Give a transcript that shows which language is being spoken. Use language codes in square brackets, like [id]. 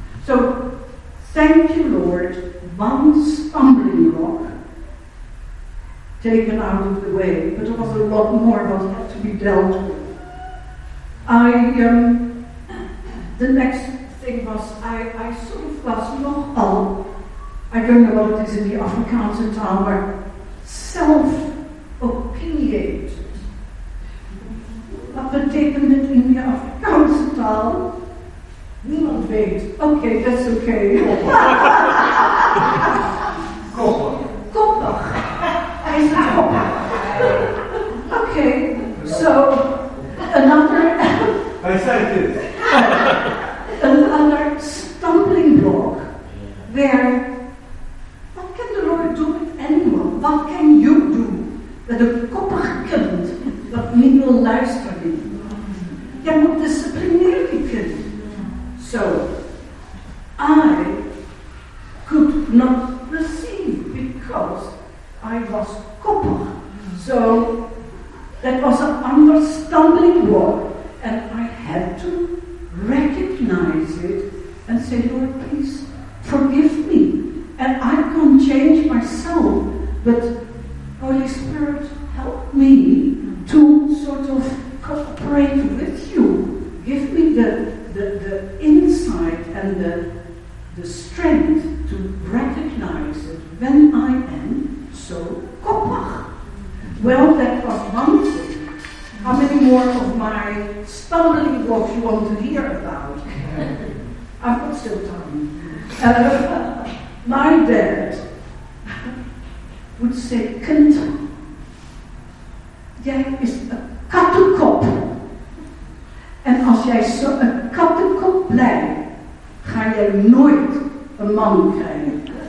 [en] So thank you, Lord, one stumbling block taken out of the way, but there was a lot more that had to be dealt with. The next thing was, I sort of was [nl] nogal, [en] I don't know what it is in the Afrikaans in town, but self-opinionated. [nl] Wat betekent het in de Afrikaanse taal? Niemand weet. Oké, dat is oké. Koppig. Koppig. Hij is koppig. Oké, [en] okay, so another. [nl] Hij zei het. [en] Another stumbling block. Where, what can the Lord do with anyone? What can you do with a koppig [nl] kind dat niet wil luisteren? Jij moet disciplineren die kind. [en] So, I could not receive because I was koppig. So, that was an understanding block and I had to recognize it and say, Lord, please forgive me. And I can't change myself, but Holy Spirit, help me to sort of cooperate with you. Give me the insight and the strength to recognize it when I am so koppig. Well, that was one thing. How many more of my stumbling blocks you want to hear about? I've got still time. My dad would say, [nl] kind, jij is [en] a kattenkop. [nl] En als jij zo een kattenkop blijft, ga jij nooit een man krijgen.